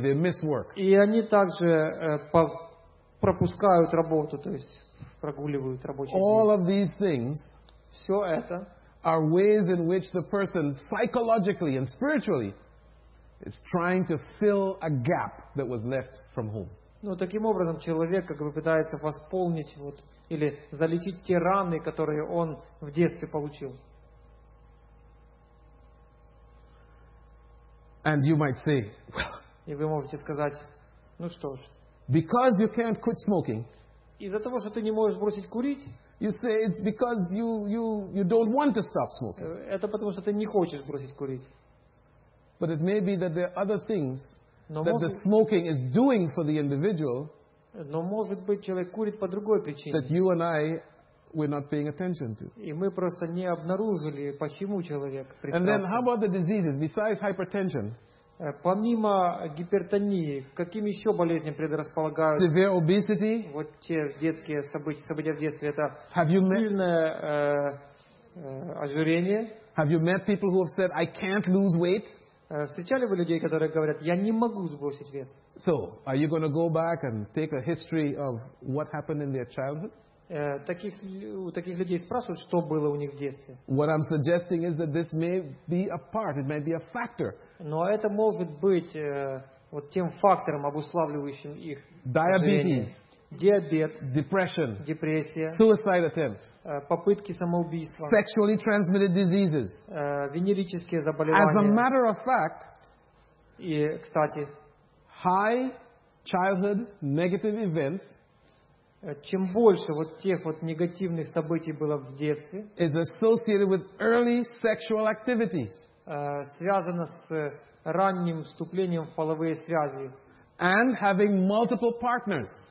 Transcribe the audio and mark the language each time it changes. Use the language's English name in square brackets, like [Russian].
[English] They miss work. [Russian] И они также пропускают работу, то есть прогуливают рабочие дни. [English] All of these things. [Russian] Все это [English] are ways in which the person psychologically and spiritually is trying to fill a gap that was left from home. [Russian] Ну, таким образом, человек как бы пытается восполнить вот или залечить те раны, которые он в детстве получил. [English] And you might say, well, [Russian] и вы можете сказать, ну что ж, [English] because you can't quit smoking, [Russian] из-за того, что ты не можешь бросить курить, [English] you say it's because you don't want to stop smoking. [Russian] Это потому что ты не хочешь бросить курить. [English] But it may be that there are other things that the smoking is doing for the individual. [Russian] Но может быть человек курит по другой причине. [English] That you and I we're not paying attention to. [Russian] И мы просто не обнаружили, почему человек пристрастен. [English] And then how about the diseases besides hypertension? [Russian] Помимо гипертонии, каким еще болезням предрасполагают? [English] Severe obesity. [Russian] Вот те детские события в детстве, это сильное ожирение. [English] Have you met people who have said, I can't lose weight? [Russian] Встречали вы людей, которые говорят, я не могу сбросить вес? [English] So, are you going to go back and take a history of what happened in their childhood? [Russian] Таких людей спрашивают, что было у них в детстве. [English] What I'm suggesting is that this may be a part, it may be a factor. [Russian] Но это может быть вот тем фактором, обуславливающим их ожирение. Диабет. [English] Depression. [Russian] Депрессия. [English] Suicide attempts. [Russian] Попытки самоубийства. [English] Sexually transmitted diseases. [Russian] Венерические заболевания. [English] As a matter of fact, [Russian] и, кстати, [English] high childhood negative events, [Russian] чем больше вот тех вот негативных событий было в детстве, [English] is associated with early sexual activity. [Russian] Связано с ранним вступлением в половые связи. [English] And having multiple partners.